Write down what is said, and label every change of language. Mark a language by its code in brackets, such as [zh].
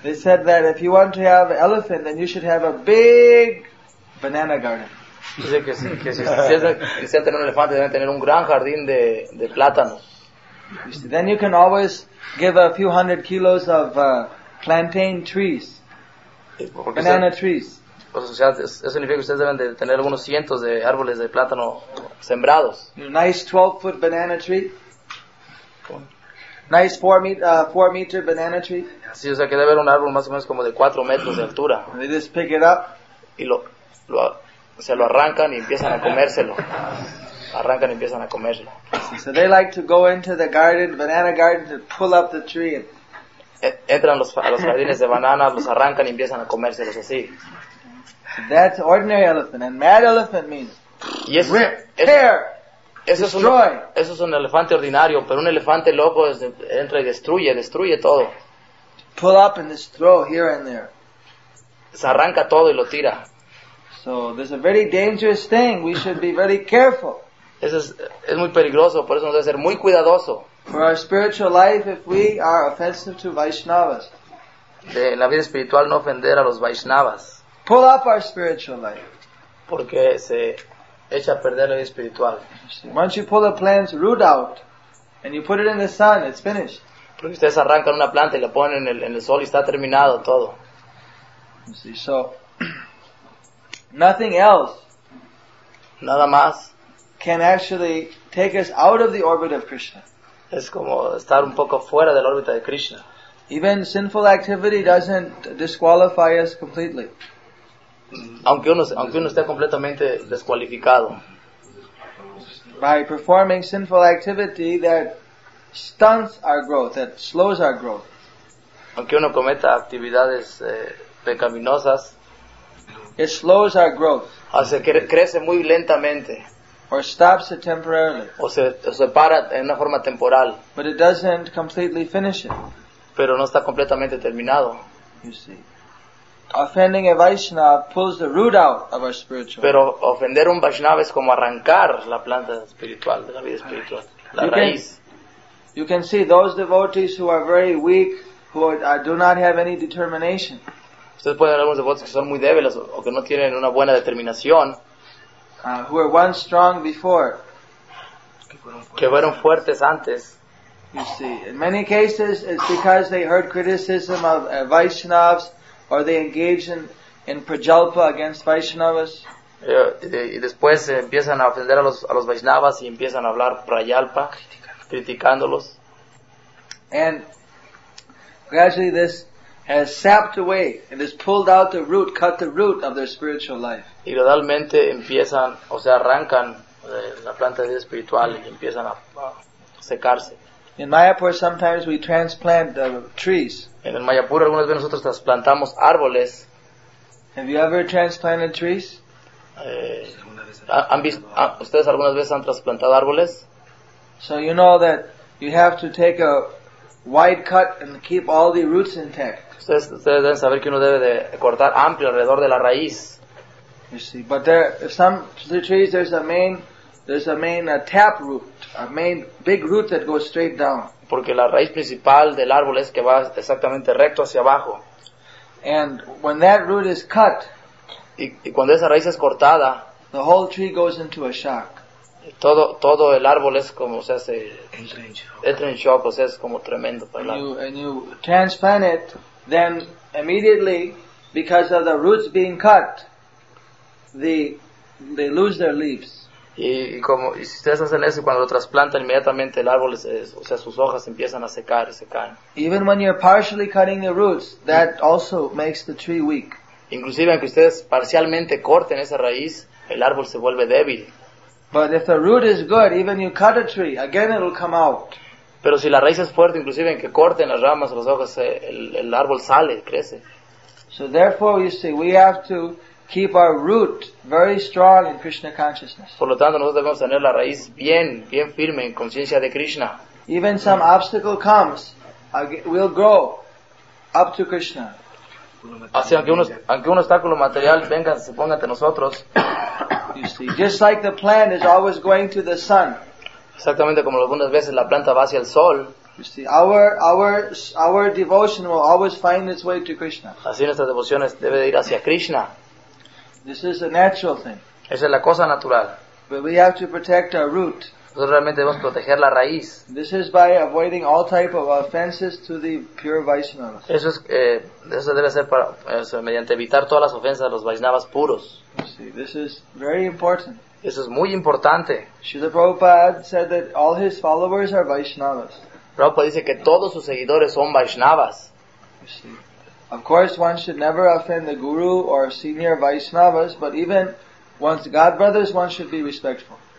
[en] They said that if you want to have an elephant, then you should have a big banana garden. [es] Dice que si desea tener un elefante, debe tener un gran jardín de plátanos. [en] You see, then you can always give a few hundred kilos of plantain trees. Banana trees. [es] O sea, eso significa que ustedes deben de tener algunos cientos de árboles de plátano sembrados. [en] Nice 12-foot banana tree. Nice 4-meter banana tree. [es] Sí, o sea, que debe haber un árbol más o menos como de 4 metros de altura. [en] They just pick it up. [es] Y lo arrancan y empiezan a comérselo. Arrancan y empiezan a comérselo. [en] So they like to go into the garden, banana garden, to pull up the tree. [es] Entran a los jardines de banana, los arrancan y empiezan a comérselos así. [en] That's ordinary elephant, and mad elephant means rip, tear, destroy. [es] Eso es un elefante ordinario, pero un elefante loco entra y destruye todo. [en] Pull up and destroy here and there. [es] Se arranca todo y lo tira. [en] So this is a very dangerous thing. We should be very careful. [es] Eso es muy peligroso, por eso debe ser muy cuidadoso. [en] For our spiritual life, if we are offensive to Vaishnavas. [es] De la vida espiritual no ofender a los Vaishnavas. [en] Pull up our spiritual life. [es] Porque se echa a perder la vida espiritual. [en] Once you pull a plant's root out and you put it in the sun, it's finished. [es] Porque ustedes arrancan una planta y la ponen en el sol y está terminado todo. [en] You see, so nothing else. [es] Nada más. [en] Can actually take us out of the orbit of Krishna. [es] Es como estar un poco fuera de la órbita de Krishna. [en] Even sinful activity doesn't disqualify us completely. [es] Aunque uno esté completamente descualificado. [en] By performing sinful activity that stunts our growth, that slows our growth. [es] Aunque uno cometa actividades pecaminosas, [en] it slows our growth. [es] Hace que crece muy lentamente. [en] Or stops it temporarily. [es] O se para en una forma temporal. [en] But it doesn't completely finish it. [es] Pero no está completamente terminado. [en] You see. Offending a Vaishnava pulls the root out of our spiritual. [es] Pero ofender un Vaishnava es como arrancar la planta espiritual de la vida espiritual, la raíz. [en] You can see those devotees who are very weak, who do not have any determination. [es] Ustedes pueden ver algunos devotos que son muy débiles o que no tienen una buena determinación. [en] Who were once strong before. [es] Que fueron fuertes antes. [en] You see, in many cases, it's because they heard criticism of Vaishnavas. Are they engaged in prajalpa against Vaishnavas? [es] Y después empiezan a ofender a los Vaishnavas y empiezan a hablar prajalpa, criticándolos. [en] And gradually this has sapped away and has pulled out the root, cut the root of their spiritual life. [es] Y gradualmente empiezan, o sea, arrancan la planta de vida espiritual y empiezan a secarse. [en] In Mayapur, sometimes we transplant trees. [es] En el Mayapur, algunas veces nosotros trasplantamos árboles. [en] Have you ever transplanted trees? [es] Segunda ¿Ustedes algunas veces han trasplantado árboles? [en] So you know that you have to take a wide cut and keep all the roots intact. [es] Ustedes deben saber que uno debe de cortar amplio alrededor de la raíz. [en] You see, but there some the trees there's a main tap root, a main big root that goes straight down. [es] Porque la raíz principal del árbol es que va exactamente recto hacia abajo. [en] And when that root is cut, [es] y cuando esa raíz es cortada, [en] the whole tree goes into a shock. [es] Todo el árbol es como se hace, entra en shock, o sea, es como tremendo para el árbol. [en] And you transplant it, then immediately, because of the roots being cut, they lose their leaves. [es] Y si ustedes hacen eso, cuando lo trasplantan, inmediatamente el árbol, o sea, sus hojas empiezan a secar y se caen. [en] Even when you're partially cutting the roots, that also makes the tree weak. [es] Inclusive aunque ustedes parcialmente corten esa raíz, el árbol se vuelve débil. [en] But if the root is good, even you cut a tree, again it'll come out. [es] Pero si la raíz es fuerte, inclusive en que corten las ramas o las hojas, el árbol sale, crece. [en] So therefore, you see, we have to keep our root very strong in Krishna consciousness. [es] Por lo tanto, nosotros debemos tener la raíz bien firme en conciencia de Krishna. [en] Even some obstacle comes, we'll grow up to Krishna. [es] Así, aunque un obstáculo material venga, se ponga ante nosotros. [en] You see, just like the plant is always going to the sun. [es] Exactamente como algunas veces la planta va hacia el sol. [en] You see, our devotion will always find its way to Krishna. [es] Así nuestra devoción debe ir hacia Krishna. [en] This is a natural thing. [es] Esa es la cosa natural. [en] But we have to protect our root. [es] Nosotros realmente debemos proteger la raíz. [en] This is by avoiding all type of offenses to the pure Vaishnavas. [es] Eso debe ser mediante evitar todas las ofensas a los Vaishnavas puros. [en] You see, this is very important. [es] Eso es muy importante. [en] Srila Prabhupada said that all his followers are Vaishnavas. [es] Prabhupada dice que todos sus seguidores son Vaishnavas. [en] You see. Of course, one should never offend the guru or senior Vaishnavas, but even one's god brothers, one should be respectful.